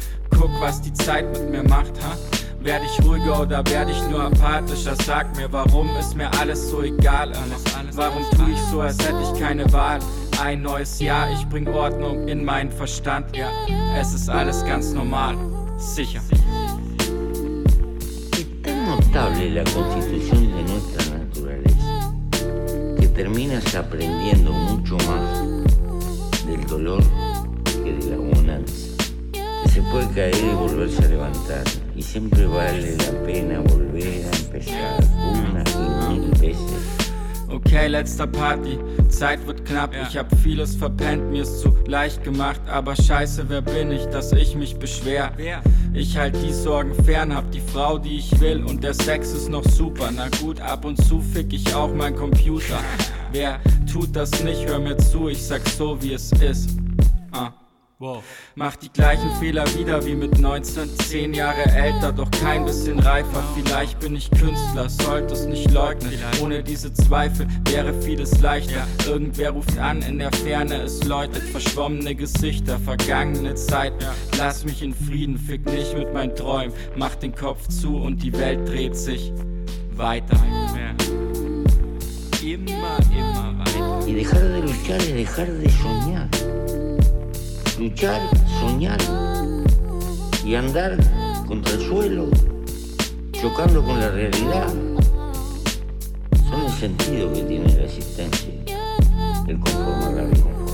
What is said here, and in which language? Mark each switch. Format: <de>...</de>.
<de>Guck, was die Zeit mit mir macht, ha? Werd ich ruhiger oder werd ich nur apathischer? Sag mir, warum ist mir alles so egal? Warum tu ich so, als hätte ich keine Wahl? Ein neues Jahr, ich bring Ordnung in meinen Verstand. Ja, es ist alles ganz normal, sicher.</de> <es>Es notable la constitución de nuestra naturaleza, que terminas aprendiendo mucho más del dolor que de la bonanza. Que se puede caer y volverse a levantar. Y siempre vale la pena volver a empezar una y mil veces.</es> <de>Okay, letzter Part, die Zeit wird knapp. Ich hab vieles verpennt, mir ist zu leicht gemacht. Aber scheiße, wer bin ich, dass ich mich beschwer? Ich halt die Sorgen fern, hab die Frau, die ich will. Und der Sex ist noch super. Na gut, ab und zu fick ich auch meinen Computer. Wer tut das nicht, hör mir zu, ich sag's so, wie es ist. Wow. Mach die gleichen Fehler wieder wie mit 19, 10 Jahre älter, doch kein bisschen reifer. Vielleicht bin ich Künstler, sollte es nicht leugnen. Ohne diese Zweifel wäre vieles leichter. Irgendwer ruft an in der Ferne, es läutet. Verschwommene Gesichter, vergangene Zeit. Lass mich in Frieden, fick nicht mit meinen Träumen. Mach den Kopf zu und die Welt dreht sich weiter.</de> <es>Y dejar de luchar es dejar de soñar. Luchar, soñar y andar contra el suelo, chocando con la realidad, son el sentido que tiene la existencia, el conformar la vida.</es>